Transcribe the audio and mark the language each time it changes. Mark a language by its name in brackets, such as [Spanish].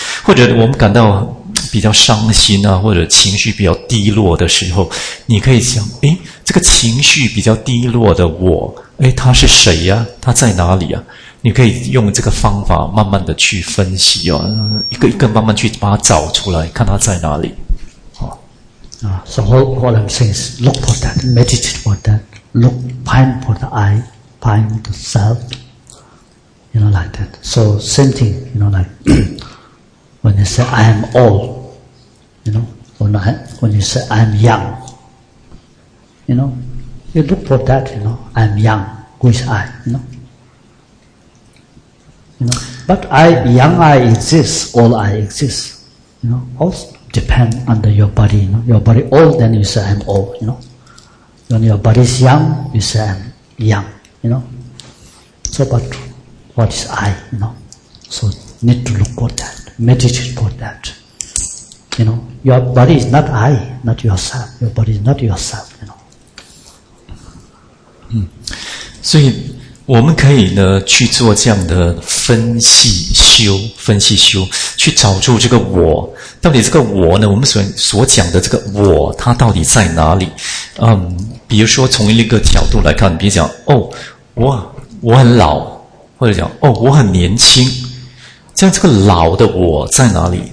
[Chinese] 或者我们感到比较伤心啊，或者情绪比较低落的时候，你可以想诶，这个情绪比较低落的我，诶，他是谁啊，他在哪里啊，你可以用这个方法慢慢的去分析哦，一个一个慢慢去把它找出来，看它在哪里。 [English] So what I'm saying is look for that, meditate for that, look, find for the I, find the self, you know, like that. So same thing, you know, like when you say I am old, you know, when you say I am young, you know, you look for that, you know, I am young, who is I, you know, You know, but I exist, all I exist. You know, all depend under your body. You know, your body old, then you say I'm old. You know, when your body is young, you say I'm young. You know, so but what is I? You know, so need to look for that, meditate for that. You know, your body is not I, not yourself. Your body is not yourself. You know. [Chinese] 所以我们可以呢去做这样的分析修，分析修，去找出这个我，到底这个我呢，我们所讲的这个我，它到底在哪里？比如说从一个角度来看，比如讲哦，我很老，或者讲哦，我很年轻，这样这个老的我在哪里？